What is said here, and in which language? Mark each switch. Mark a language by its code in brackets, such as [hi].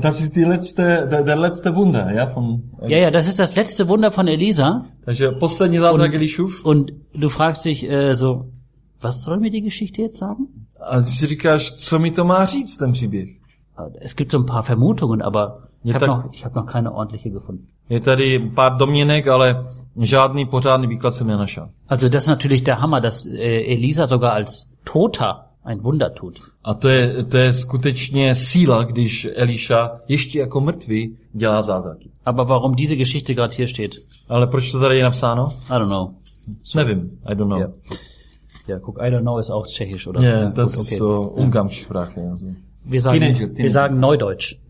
[de] Das ist die letzte, der letzte Wunder, ja, von. Ja, ja, das ist das letzte Wunder von Elisa. [cs] Also, poslední zázrak Elišův. [de] Und du fragst dich, so, was soll mir die Geschichte jetzt sagen? [cs] A ty si říkáš, co mi to má říct, ten příběh? [de] Es gibt so ein paar Vermutungen, aber ich hab noch keine ordentliche gefunden. [cs] Je tady pár domněnek, ale žádný pořádný výklad jsem nenašel. [de] Also, das ist natürlich der Hammer, dass Elisa sogar als Toter ein Wunder tut. [cs] A to je skutečně síla, když Eliša ještě jako mrtvý dělá zázraky. [de] Aber warum diese Geschichte gerade hier steht? [cs] Ale proč to tady je napsáno? [en] I don't know. So, [cs] nevím. [en] I don't know. Ja, yeah. [de] Guck, [en] I don't know [de] ist auch tschechisch, oder? Yeah, ja, das gut, okay. Ist so Umgangssprache. Wir sagen, wir sagen Neudeutsch.